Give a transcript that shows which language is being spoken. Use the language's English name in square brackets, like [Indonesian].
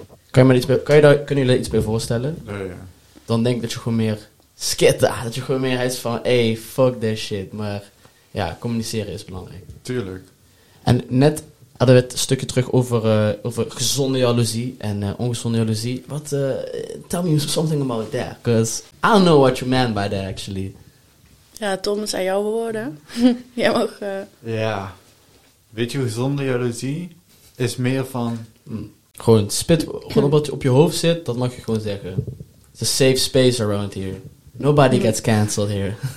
[Dutch] Kunnen jullie daar iets bij voorstellen? Nee. Dan denk ik dat je gewoon meer skitter, dat je gewoon meer is van, hey, [English] fuck this shit. [Dutch] Maar ja, communiceren is belangrijk. Tuurlijk. En net hadden we het stukje terug over gezonde jaloezie en ongezonde jaloezie. [English] Tell me something about that, because I don't know what you meant by that actually. [Dutch] Ja, Tom, het zijn jouw woorden. Jij mag... Ja. Weet je, gezonde jaloezie is meer van... Gewoon spit. Gewoon omdat je op je hoofd zit, dat mag je gewoon zeggen. [English] It's a safe space around here. Nobody gets cancelled here.